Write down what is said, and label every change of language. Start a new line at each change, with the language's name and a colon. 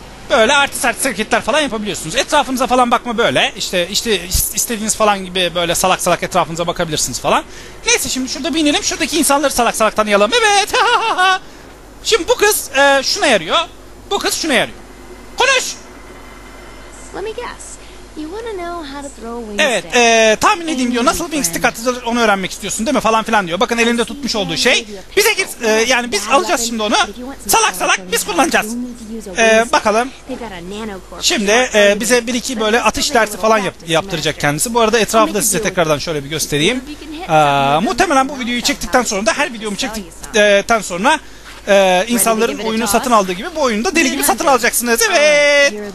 Turkish: Böyle artist artist hareketler falan yapabiliyorsunuz. Etrafınıza falan bakma böyle. İşte istediğiniz falan gibi böyle salak salak etrafınıza bakabilirsiniz falan. Neyse, şimdi şurada bir inelim. Şuradaki insanları salak salak tanıyalım. Evet. Şimdi bu kız şuna yarıyor. Bu kız şuna yarıyor. Konuş.
English: Let me guess. You wanna know how to throw a wingstick?
Turkish: Evet, tahmin edeyim diyor. Nasıl wingstick atılır onu öğrenmek istiyorsun değil mi? Falan filan diyor. Bakın elinde tutmuş olduğu şey. Bize git, yani biz alacağız şimdi onu. Salak salak biz kullanacağız. Bakalım. Şimdi bize bir iki böyle atış dersi falan yaptıracak kendisi. Bu arada etrafı da size tekrardan şöyle bir göstereyim. Muhtemelen bu videoyu çektikten sonra da her videomu çektikten sonra insanların oyunu satın aldığı gibi bu oyunu da deli gibi satın alacaksınız. Evet.